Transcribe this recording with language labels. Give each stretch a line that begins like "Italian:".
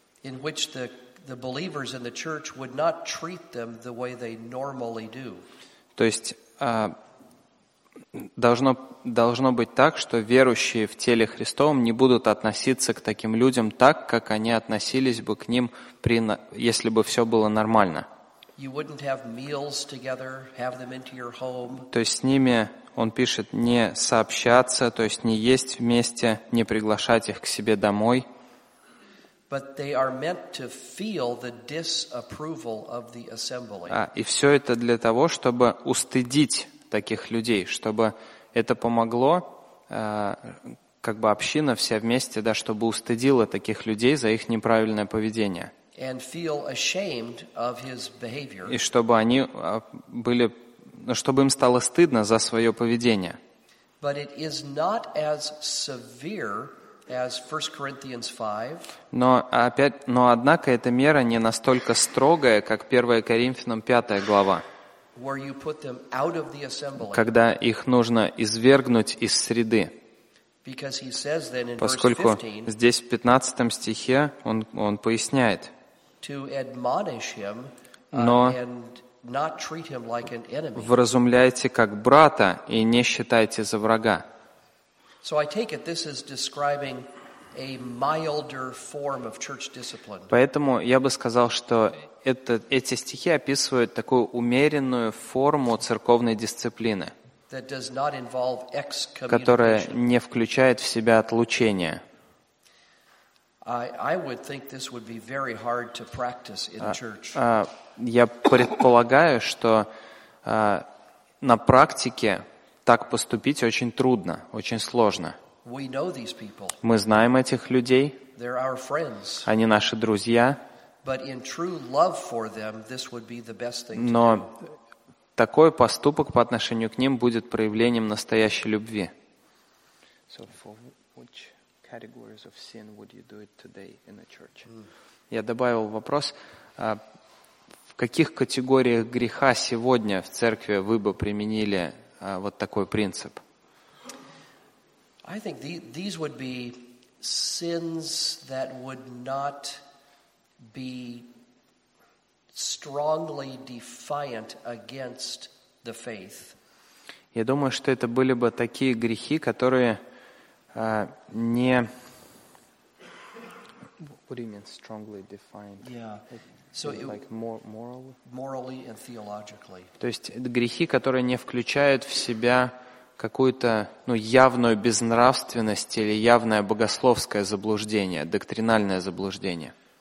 English: In which the believers in the church would not treat them the way they normally do.
Russian: То есть должно быть так, что верующие в теле Христовом не будут относиться к таким людям так, как они относились бы к ним, если бы все было нормально.
English: You wouldn't have meals together, have them into your home.
Russian: То есть с ними, он пишет, не сообщаться, то есть не есть вместе, не приглашать их к себе домой.
English: But they are meant to feel the disapproval of the assembly.
Russian: А, и все это для того, чтобы устыдить таких людей, чтобы это помогло, как бы община вся вместе, да, чтобы устыдила таких людей за их неправильное поведение.
English: And feel ashamed of his behavior.
Russian: И чтобы они были, чтобы им стало стыдно за свое поведение.
English: But it is not as severe as 1 Corinthians 5.
Russian: Но однако эта мера не настолько строгая, как 1 Коринфянам 5 глава.
English: Where you put them out of the assembly.
Russian: Когда их нужно извергнуть из среды.
English: Because he says then in verse
Russian: Поскольку здесь в 15 стихе он поясняет.
English: To admonish him, and not treat him like an enemy.
Russian: Вразумляйте как брата и не считайте за врага.
English: So I take it this is describing a milder form of church discipline.
Russian: Поэтому я бы сказал, что эти стихи описывают такую умеренную форму церковной дисциплины,
English: that does not involve excommunication.
Russian: Которая не включает в себя отлучение.
English: I would think this would be very hard to practice in church.
Russian: Я предполагаю, что на практике так поступить очень трудно, очень сложно.
English: We know these people.
Russian: Мы знаем этих людей.
English: They're our friends.
Russian: Они наши друзья.
English: But in true love for them, this would be the best thing to do.
Russian: Но такой поступок по отношению к ним будет проявлением настоящей любви.
English: So for which categories of sin would you do it today in a church?
Russian: Я добавил вопрос: в каких категориях греха сегодня в церкви вы бы применили вот такой принцип?
English: I think these would be sins that would not be strongly defiant against the faith.
Russian: Я думаю, что это были бы такие грехи, которые не...
English: What do you mean strongly defiant? Yeah. So like moral? Morally and theologically.
Russian: То есть грехи, которые не включают в себя какую-то, ну, явную безнравственность или явное богословское заблуждение, доктринальное заблуждение.